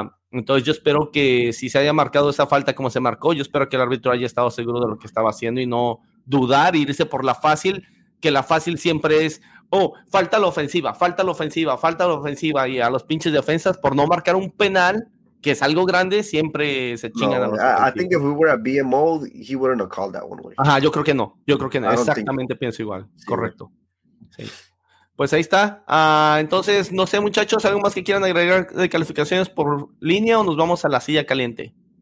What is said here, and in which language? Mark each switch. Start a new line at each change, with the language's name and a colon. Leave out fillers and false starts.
Spanish: Entonces yo espero que si se haya marcado esa falta como se marcó, yo espero que el árbitro haya estado seguro de lo que estaba haciendo y no dudar, irse por la fácil, que la fácil siempre es falta la ofensiva, y a los pinches defensas por no marcar un penal, que es algo grande, siempre se chingan a los
English: I think if we were at BMO, he wouldn't have called that one.
Spanish: Ajá, yo creo que no, exactamente pienso igual, sí. Correcto. Sí. Pues ahí está, entonces, no sé muchachos, ¿algo más que quieran agregar de calificaciones por línea o nos vamos a la silla caliente?